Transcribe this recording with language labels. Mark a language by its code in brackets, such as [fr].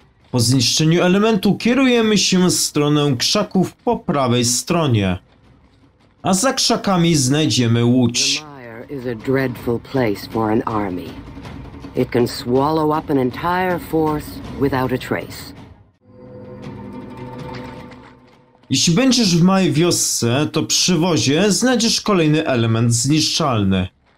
[pl] Po zniszczeniu elementu kierujemy się w stronę krzaków po prawej stronie. A za krzakami znajdziemy łódź. [en] Mire is a dreadful place for an army. It can swallow up an entire force without a trace. [pl] Jeśli będziesz w mojej wiosce, to przy wozie znajdziesz kolejny element zniszczalny.